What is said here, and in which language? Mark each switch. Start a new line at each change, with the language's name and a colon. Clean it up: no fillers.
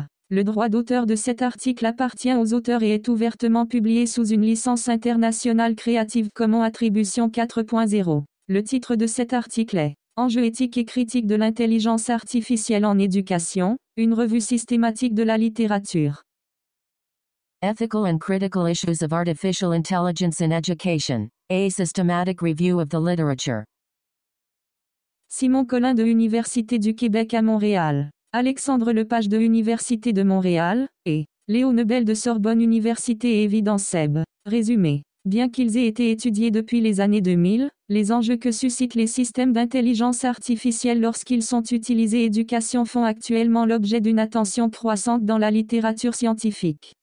French: Le droit d'auteur de cet article appartient aux auteurs et est ouvertement publié sous une licence internationale Creative Commons Attribution 4.0. Le titre de cet article est « Enjeux éthiques et critiques de l'intelligence artificielle en éducation, une revue systématique de la littérature. »
English: Ethical and Critical Issues of Artificial Intelligence in Education, A Systematic Review of the Literature.
French: Simon Collin de l'Université du Québec à Montréal. Alexandre Lepage de l'Université de Montréal, et Léo Nebel de Sorbonne Université et Évidence Seb. Résumé. Bien qu'ils aient été étudiés depuis les années 2000, les enjeux que suscitent les systèmes d'intelligence artificielle lorsqu'ils sont utilisés éducation font actuellement l'objet d'une attention croissante dans la littérature scientifique.